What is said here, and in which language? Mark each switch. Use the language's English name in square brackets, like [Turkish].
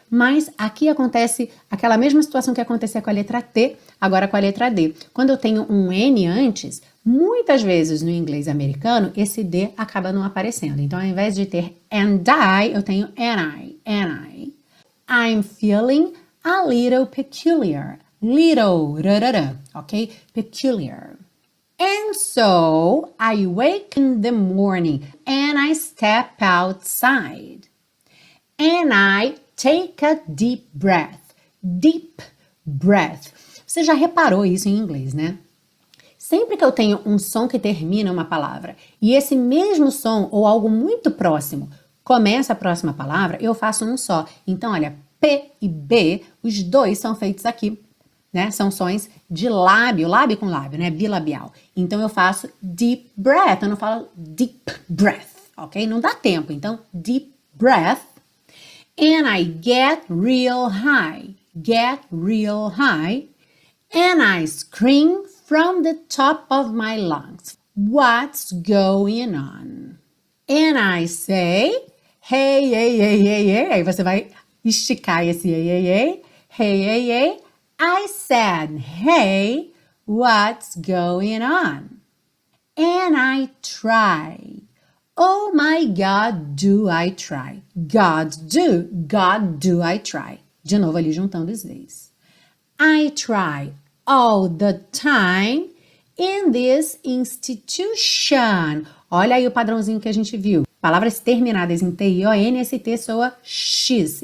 [Portuguese] Mas aqui acontece aquela mesma situação que acontecia com a letra T, agora com a letra D. Quando eu tenho um N antes, Muitas vezes no inglês americano, esse D acaba não aparecendo. Então, ao invés de ter [English] and I, [Portuguese] eu tenho and I. [English] I'm feeling a little peculiar. Little, ok? Peculiar. And so, I wake in the morning and I step outside. And I take a deep breath. Deep breath. [Portuguese] Você já reparou isso em inglês, né? Sempre que eu tenho um som que termina uma palavra e esse mesmo som ou algo muito próximo começa a próxima palavra, eu faço um só. Então, olha, P e B, os dois são feitos aqui, né? São sons de lábio, lábio com lábio, né? Bilabial. Então, eu faço [English] deep breath, [Portuguese] eu não falo deep breath, ok? Não dá tempo. Então, [English] deep breath. And I get real high. Get real high. And I scream from the top of my lungs. What's going on? And I say, hey, hey, hey, hey, hey. [Portuguese] Aí você vai esticar esse hey, hey, hey. [English] Hey, hey, hey. I said, hey, what's going on? And I try. Oh my God, do I try. God, do I try. [Portuguese] De novo ali juntando os dois. [English] I try all the time in this institution. [Portuguese] Olha aí o padrãozinho que a gente viu. Palavras terminadas em T-I-O-N-S-T soa X.